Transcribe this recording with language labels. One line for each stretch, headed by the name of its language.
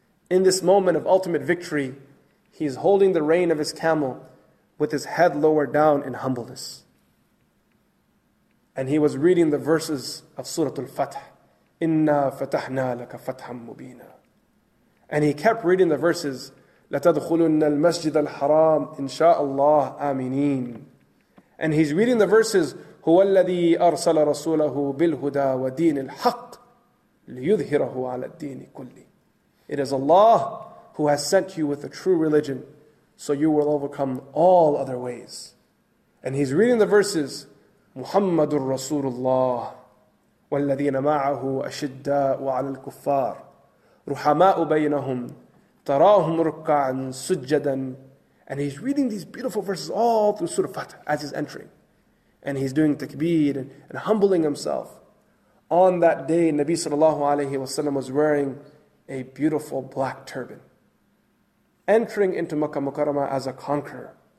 English: In this moment of ultimate victory, he's holding the rein of his camel with his head lowered down in humbleness. And he was reading the verses of Surah Al-Fath.
Arabic: Inna fatahna laka fatham mubina.
English: And he kept reading the verses,
Arabic: لَتَدْخُلُنَّ الْمَسْجِدَ الْحَرَامِ إِنْشَاءَ اللَّهُ آمِنِينَ.
English: And he's reading the verses,
Arabic: هُوَ الَّذِي أَرْسَلَ رَسُولَهُ بِالْهُدَى وَدِينِ الْحَقِّ لِيُذْهِرَهُ عَلَى الدِّينِ كُلِّ.
English: It is Allah who has sent you with the true religion, so you will overcome all other ways. And he's reading the verses,
Arabic: مُحَمَّدٌ رَسُولُ اللَّهِ وَالَّذِينَ مَعَهُ أَشِدَّاءُ عَلَى الْكُفَّارِ رُحَمَاءُ بَيْنَهُمْ تَرَاهُمْ رُكَّعًا سُجَّدًا.
English: And he's reading these beautiful verses all through Surah Fath as he's entering. And he's doing takbir and humbling himself. On that day, Nabi sallallahu alayhi wa sallam was wearing a beautiful black turban, entering into Makkah Mukarramah as a conqueror.